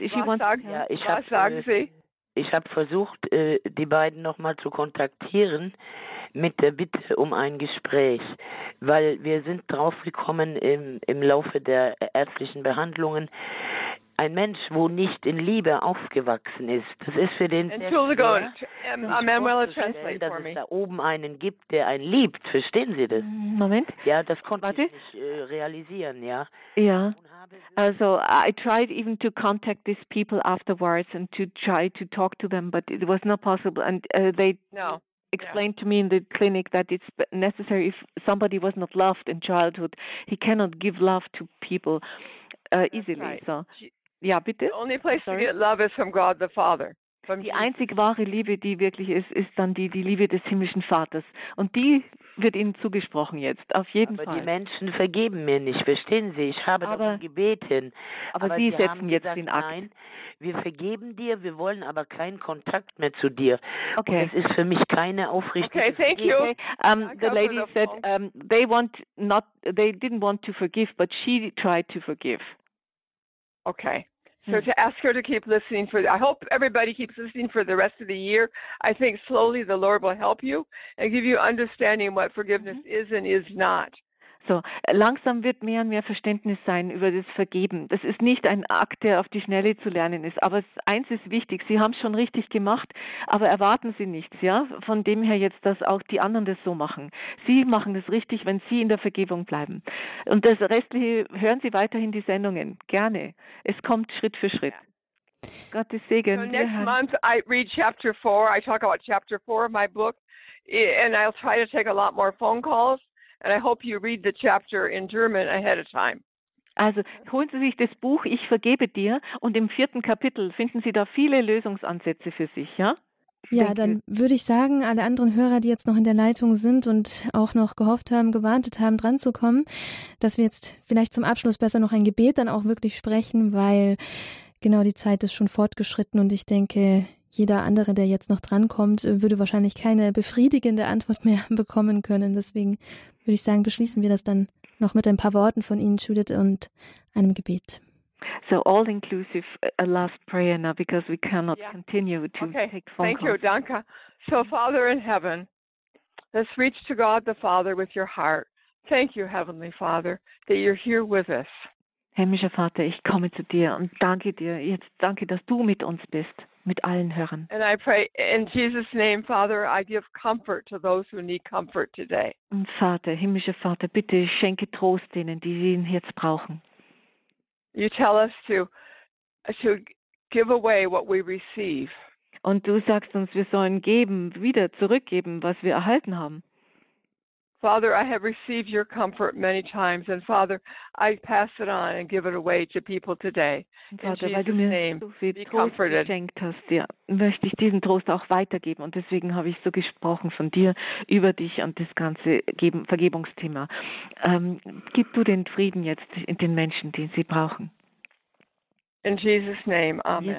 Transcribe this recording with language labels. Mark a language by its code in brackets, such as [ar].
[de] Ich habe versucht, die beiden noch mal zu kontaktieren mit der Bitte um ein Gespräch, weil wir sind drauf gekommen im Laufe der ärztlichen Behandlungen. Ein Mensch, wo nicht in Liebe aufgewachsen ist, das ist für den dass es da oben einen gibt, der einen liebt. Verstehen Sie das? Moment. Ja, das konnte ich nicht realisieren, ja. Ja. [en] Also, I tried even to contact these people afterwards and to try to talk to them, but it was not possible. And explained to me in the clinic that it's necessary if somebody was not loved in childhood, he cannot give love to people easily. Right. [de] So. Ja, bitte. [en] The only place to get love is from God the Father. [de] Die einzig wahre Liebe, die wirklich ist, ist dann die Liebe des himmlischen Vaters. Und die wird Ihnen zugesprochen jetzt, auf jeden aber Fall. Aber die Menschen vergeben mir nicht, verstehen Sie? Ich habe darum gebeten. Aber Sie setzen jetzt den Akt. Nein, wir vergeben dir, wir wollen aber keinen Kontakt mehr zu dir. Okay. Es ist für mich keine aufrichtige [en] Okay, thank you. The lady said they didn't want to forgive, but she tried to forgive. Okay. So to ask her to keep listening I hope everybody keeps listening for the rest of the year. I think slowly the Lord will help you and give you understanding what forgiveness is and is not. [de] So, langsam wird mehr und mehr Verständnis sein über das Vergeben. Das ist nicht ein Akt, der auf die Schnelle zu lernen ist. Aber eins ist wichtig, Sie haben es schon richtig gemacht, aber erwarten Sie nichts, ja? Von dem her jetzt, dass auch die anderen das so machen. Sie machen das richtig, wenn Sie in der Vergebung bleiben. Und das Restliche, hören Sie weiterhin die Sendungen. Gerne. Es kommt Schritt für Schritt. Ja. Gottes Segen. [en] So next month I read chapter 4. I talk about chapter 4 of my book. And I'll try to take a lot more phone calls. And I hope you read the chapter in German ahead of time. [de] Also, holen Sie sich das Buch Ich vergebe dir und im vierten Kapitel finden Sie da viele Lösungsansätze für sich, ja? Ja, dann würde ich sagen, alle anderen Hörer, die jetzt noch in der Leitung sind und auch noch gehofft haben, gewartet haben, dran zu kommen, dass wir jetzt vielleicht zum Abschluss besser noch ein Gebet dann auch wirklich sprechen, weil genau die Zeit ist schon fortgeschritten und ich denke, jeder andere, der jetzt noch drankommt, würde wahrscheinlich keine befriedigende Antwort mehr bekommen können. Deswegen würde ich sagen, beschließen wir das dann noch mit ein paar Worten von Ihnen, Judith, und einem Gebet. [en] So all inclusive, a last prayer now, because we cannot continue to take phone calls. Thank you, [de] danke. [en] So Father in heaven, let's reach to God the Father with your heart. Thank you, Heavenly Father, that you're here with us. [de] Himmlischer Vater, ich komme zu dir und danke dir. Jetzt danke, dass du mit uns bist. Mit allen Hörern. [en] And I pray in Jesus' name, Father, I give comfort to those who need comfort today. [de] Und Vater, himmlischer Vater, bitte schenke Trost denen, die ihn jetzt brauchen. [en] You tell us to give away what we receive. [de] Und du sagst uns, wir sollen geben, wieder zurückgeben, was wir erhalten haben. [en] Father, I have received your comfort many times, and Father, I pass it on and give it away to people today. [de] Vater, weil du mir so viel Trost geschenkt hast, ja, möchte ich diesen Trost auch weitergeben. Und deswegen habe ich so gesprochen von dir, über dich und das ganze Vergebungsthema. Gib du den Frieden jetzt in den Menschen, den sie brauchen. [en] In Jesus' name, Amen.